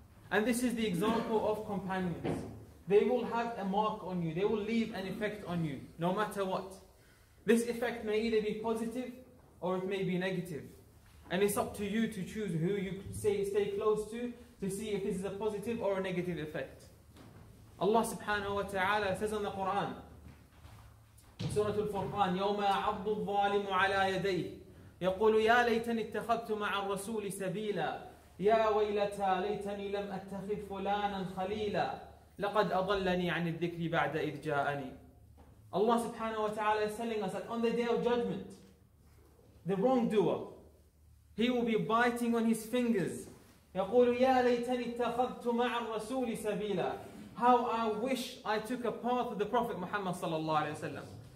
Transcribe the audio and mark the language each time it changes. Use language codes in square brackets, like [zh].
[en] And this is the example of companions. They will have a mark on you. They will leave an effect on you, no matter what. This effect may either be positive or it may be negative. And it's up to you to choose who you stay close to see if this is a positive or a negative effect. Allah subhanahu wa ta'ala says in the Quran, in Surah Al-Furqan, [ar] يَوْمَ يَعَضُّ الظَّالِمُ عَلَى يَدَيْهِ يَقُولُ يَا لَيْتَنِ اتَّخَذْتُ مَعَ الرَّسُولِ سَبِيلًا يَا وَيْلَتَا لَيْتَنِي لَمْ أَتَّخِذْ فُلَانًا خَلِيلًا لَقَدْ أَضَلَّنِي عَنِ الذِّكْرِ بَعْدَ إِذْ جَاءَنِي. [en] Allah subhanahu wa ta'ala is telling us that on the day of judgment, the wrongdoer, he will be biting on his fingers. [ar] يَقُولُ يَا لَيْتَنِي اتَّخَذْتُ مَعَ الرَّسُولِ سَبِيلًا. [en] How I wish I took a path of the Prophet Muhammad sallallahu alayhi wa sallam.